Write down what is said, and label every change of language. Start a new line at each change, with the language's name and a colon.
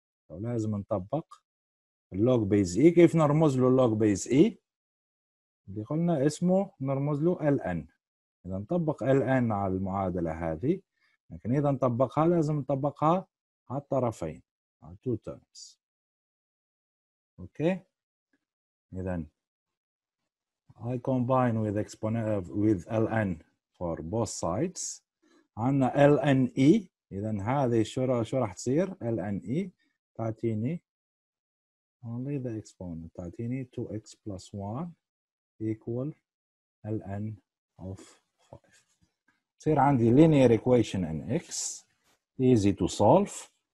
Arabic: لازم نطبق اللوج بيز اي. كيف نرمز له اللوج بيز اي؟ اللي قلنا اسمه نرمز له ln. إذا نطبق ln على المعادلة هذه, لكن إذا نطبقها لازم نطبقها على الطرفين.
English: are two terms. Okay, and then I combine with exponent with ln for both sides.
Arabic: عنا ln e. إذن هذه شو راح تصير ln e تعطيني
English: only the exponent
Arabic: تعطيني
English: 2x plus 1 equal ln of 5.
Arabic: صير عندي
English: linear equation in x easy to solve.